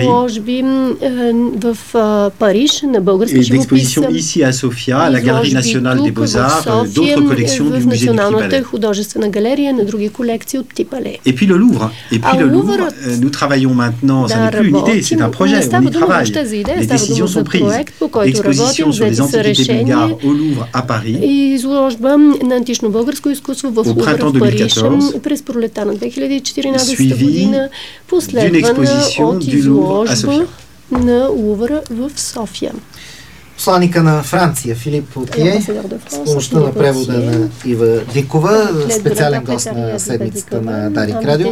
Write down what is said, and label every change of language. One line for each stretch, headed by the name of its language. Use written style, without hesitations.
Bulgarian: Изложби в Париж на български живописи.
French: Ici à Sofia, à la Galerie nationale des Beaux-Arts, d'autres collections du musée du Petit Palais.
Bulgarian: Художествена галерия на други колекции от Petit Palais.
French: Et puis le Louvre. Et puis le Louvre, nous travaillons maintenant, ça n'est plus une idée, c'est un projet, on y travaille. Les décisions sont prises. Exposition sur les antiquités bulgares au Louvre à Paris.
Bulgarian: И изложба на антично българско изкуство в Лувър в Париж през пролетта на 2014 година, последвана от изложба на Лувъра в София. Посланика на Франция, Филип Потие, с помощта на превода на Ива Дикова, специален гост на седмицата на Дарик Радио.